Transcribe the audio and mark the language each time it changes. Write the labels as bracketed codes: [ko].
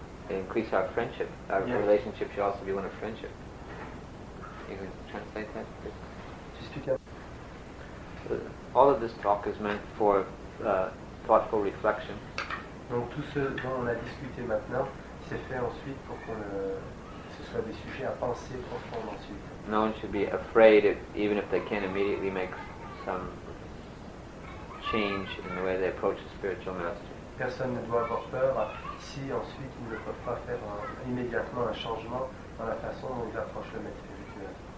[en] Increase our friendship, our relationship should also be one of friendship. You can translate that? Just to get all of this talk is meant for thoughtful reflection. [fr] Donc tout ce dont on a discuté maintenant, c'est fait ensuite pour qu'on ce soit des sujets à penser profondément ensuite. [en] No one should be afraid if, even if they can't immediately make some change in the way they approach the spiritual master. [fr] Personne ne doit avoir peur si ensuite ils ne peuvent pas faire immédiatement un changement dans la façon dont ils approchent le maître spirituel.